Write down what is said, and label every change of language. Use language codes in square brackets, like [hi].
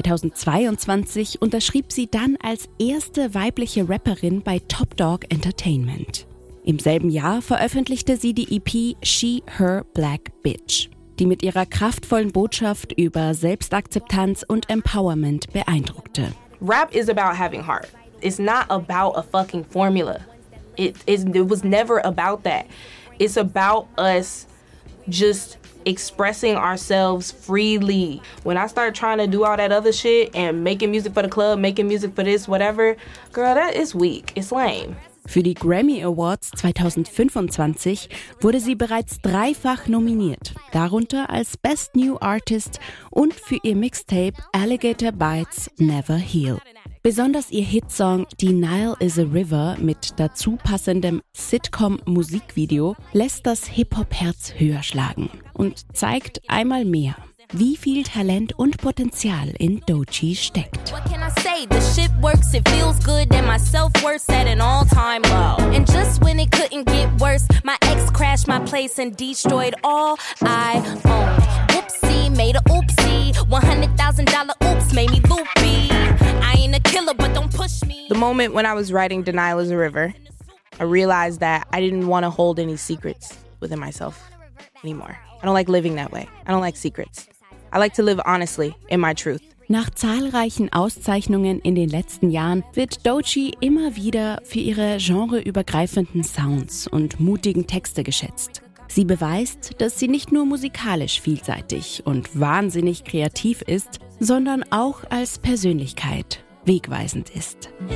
[de] Doji 2022 unterschrieb sie dann als erste weibliche Rapperin bei Top Dawg Entertainment. Im selben Jahr veröffentlichte sie die EP She, Her, Black Bitch, die mit ihrer kraftvollen Botschaft über Selbstakzeptanz und Empowerment beeindruckte. [en] Rap is about having heart. It's not about a fucking formula. It was never about that. It's about us just expressing ourselves freely. When I start trying to do all that other shit and making music for the club, making music for this, whatever, girl, that is weak. It's lame. [de] Für die Grammy Awards 2025 wurde sie bereits dreifach nominiert, darunter als Best New Artist und für ihr Mixtape Alligator Bites Never Heal. Besonders ihr Hitsong Denial is a River mit dazu passendem Sitcom-Musikvideo lässt das Hip-Hop-Herz höher schlagen und zeigt einmal mehr, wie viel Talent und Potenzial in Doji steckt. [en] What can I say? The shit works, it feels good, and my self-worth set an all-time low. And just when it couldn't get worse, my ex crashed my place and destroyed all I owned. Oopsie, made a oopsie, $100,000 oops made me loopy. The moment when I was writing Denial is a River, I realized that I didn't want to hold any secrets within myself anymore. I don't like living that way. I don't like secrets. I like to live honestly in my truth. [de] Nach zahlreichen Auszeichnungen in den letzten Jahren wird Doji immer wieder für ihre genreübergreifenden Sounds und mutigen Texte geschätzt. Sie beweist, dass sie nicht nur musikalisch vielseitig und wahnsinnig kreativ ist, sondern auch als Persönlichkeit wegweisend ist.